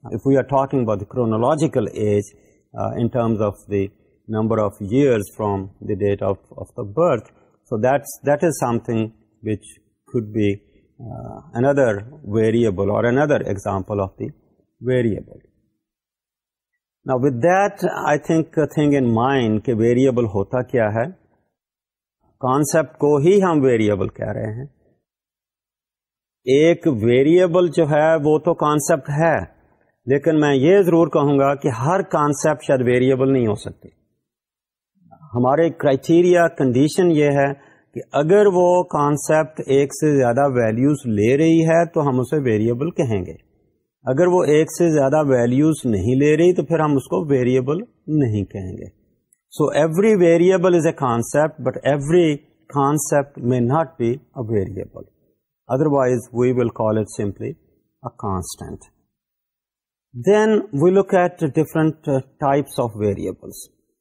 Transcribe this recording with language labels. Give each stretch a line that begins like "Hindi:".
English: If we are talking about the chronological age in terms of the number of years from the date of the birth, so that is something which could be another variable or another example of the variable. Now, with that, I think a thing in mind,
Urdu: ke variable hota kya hai? Concept ko hi hum variable keh rahe hain. ایک variable جو ہے وہ تو concept ہے, لیکن میں یہ ضرور کہوں گا کہ ہر کانسیپٹ شاید ویریبل نہیں ہو سکتے. ہمارے کرائیٹیریا کنڈیشن یہ ہے کہ اگر وہ کانسیپٹ ایک سے زیادہ ویلیوز لے رہی ہے تو ہم اسے ویریبل کہیں گے, اگر وہ ایک سے زیادہ ویلیوز نہیں لے رہی تو پھر ہم اس کو ویریبل نہیں کہیں گے.
English: So every variable is a concept, but every concept may not be a variable. Otherwise, we will call it simply a constant. Then we look at different types of variables.